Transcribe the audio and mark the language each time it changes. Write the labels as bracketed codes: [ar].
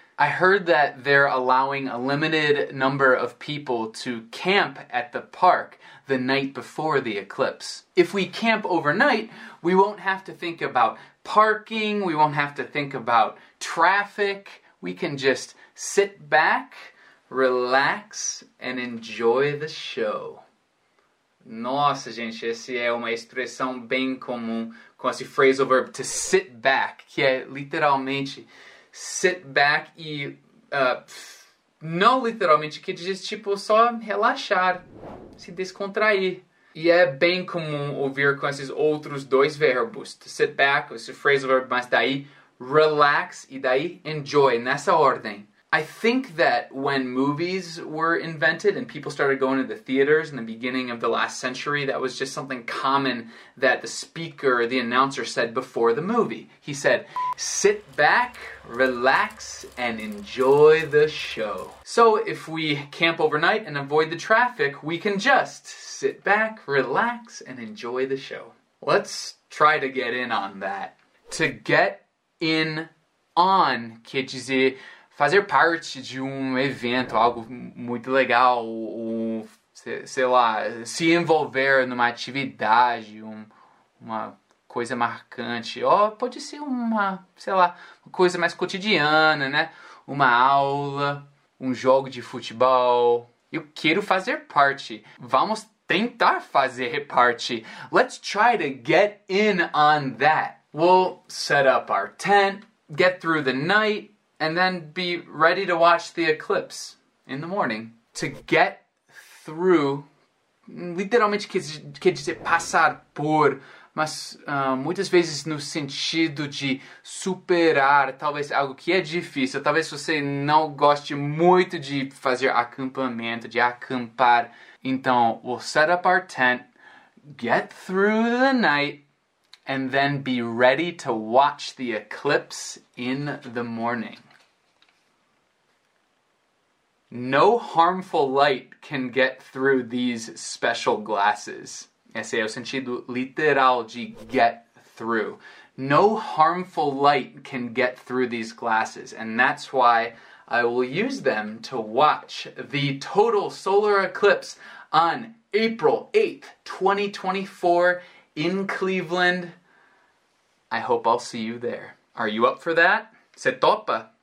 [en] I heard that they're allowing a limited number of people to camp at the park the night before the eclipse. If we camp overnight, we won't have to think about parking, we won't have to think about traffic. We can just sit back, relax, and enjoy the show. [pt] Nossa, gente, essa é uma expressão bem comum com esse phrasal verb to sit back, que é literalmente sit back e não literalmente, que diz tipo só relaxar, se descontrair. E é bem comum ouvir com esses outros dois verbos, to sit back, esse phrasal verb, mas daí relax e daí enjoy, nessa ordem. [en] I think that when movies were invented and people started going to the theaters in the beginning of the last century, that was just something common that the speaker, the announcer, said before the movie. He said, "Sit back, relax, and enjoy the show." So if we camp overnight and avoid the traffic, we can just sit back, relax, and enjoy the show. Let's try to get in on that. [pt] To get in on, quer dizer, fazer parte de um evento, algo muito legal, sei lá, se envolver numa atividade, uma coisa marcante, ou pode ser uma, sei lá, uma coisa mais cotidiana, né? Uma aula, um jogo de futebol. Eu quero fazer parte. Vamos tentar fazer parte. [en] Let's try to get in on that. We'll set up our tent, get through the night, and then be ready to watch the eclipse in the morning. [pt] To get through, literalmente quer dizer passar por, mas muitas vezes no sentido de superar talvez algo que é difícil. Talvez você não goste muito de fazer acampamento, de acampar. [en] Então, we'll set up our tent, get through the night, and then be ready to watch the eclipse in the morning. No harmful light can get through these special glasses. [pt] Esse é o sentido literal de get through. [en] No harmful light can get through these glasses, and that's why I will use them to watch the total solar eclipse on April 8th, 2024 in Cleveland. I hope I'll see you there. Are you up for that? [pt] Você topa?